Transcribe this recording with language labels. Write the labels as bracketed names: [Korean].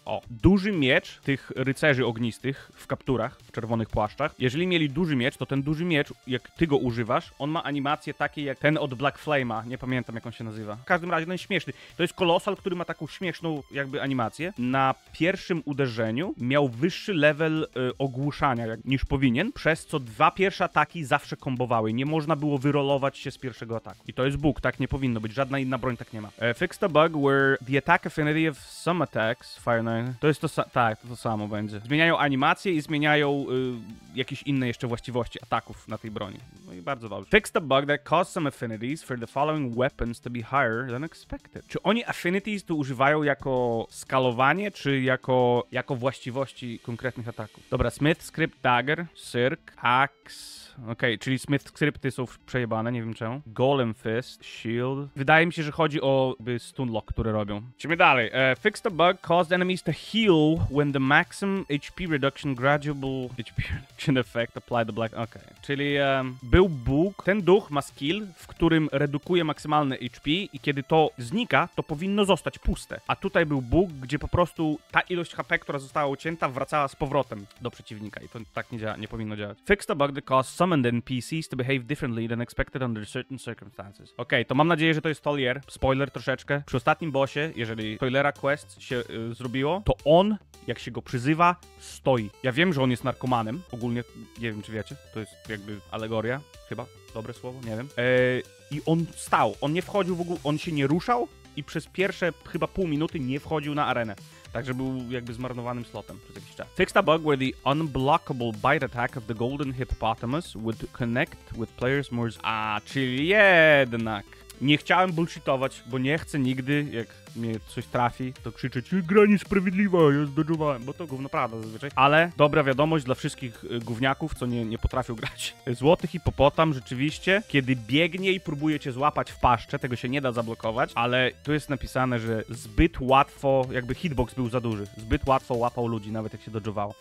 [Polish] O, duży miecz tych rycerzy ognistych w kapturach, w czerwonych płaszczach. Jeżeli mieli duży miecz, to ten duży miecz, jak ty go używasz, on ma animację takie jak ten od Black Flame'a. Nie pamiętam, jak on się nazywa. W każdym razie ten śmieszny. To jest kolosal, który ma taką śmieszną jakby animację. Na pierwszym uderzeniu miał wyższy level ogłuszania niż powinien, przez co dwa pierwsze ataki zawsze kombowały. Nie można było wyrolować się z pierwszego ataku. I to jest bug, tak nie powinno być, żadna inna broń tak nie ma. [English] Fixed a bug where the attack affinity of some attacks, Fire Knight, [Polish] to jest to samo będzie. Zmieniają animację i zmieniają jakieś inne jeszcze właściwości ataków na tej broni. No i bardzo dobrze. [English] Fixed a bug that caused some affinities for the following weapons to be higher than expected. [Polish] Czy oni affinities tu używają jako skalowanie, czy jako właściwości konkretnych ataków? Dobra, Smith, Script, Dagger, Cirque, Axe. Okej, okay, czyli Smith skrypty są przejebane, nie wiem czemu. Golem Fist, Shield. Wydaje mi się, że chodzi o stunlock, które robią. Idziemy dalej. [English] Fixed a bug caused enemies to heal when the maximum HP reduction gradual HP reduction effect applied to black. [Polish] Okej, okay. Czyli był bug. Ten duch ma skill, w którym redukuje maksymalne HP i kiedy to znika, to powinno zostać puste. A tutaj był bug, gdzie po prostu ta ilość HP, która została ucięta, wracała z powrotem do przeciwnika i to tak nie działa, nie powinno działać. [English] Fixed a bug that caused summoned NPCs to behave differently than expected under certain circumstances. [Polish] Okej, okay, to mam nadzieję, że to jest Tolier. Spoiler troszeczkę. Przy ostatnim bossie, jeżeli Tolera quest się zrobiło, to on, jak się go przyzywa, stoi. Ja wiem, że on jest narkomanem. Ogólnie, nie wiem, czy wiecie. To jest jakby alegoria. Chyba dobre słowo, nie wiem. I on stał. On nie wchodził w ogóle, on się nie ruszał i przez pierwsze chyba pół minuty nie wchodził na arenę. Także był jakby zmarnowanym slotem przez jakiś czas. [English] Fixed a bug where the unblockable bite attack of the golden hippopotamus would connect with players more... [Polish] A, czyli jednak. Nie chciałem bullshitować, bo nie chcę nigdy, jak mnie coś trafi, to krzyczeć, gra niesprawiedliwa, ja zdodżowałem, bo to gówno prawda zazwyczaj. Ale dobra wiadomość dla wszystkich gówniaków, co nie potrafią grać. Złoty hipopotam rzeczywiście, kiedy biegnie i próbuje cię złapać w paszczę, tego się nie da zablokować, ale tu jest napisane, że zbyt łatwo, jakby hitbox był za duży, zbyt łatwo łapał ludzi, nawet jak się dodżowało.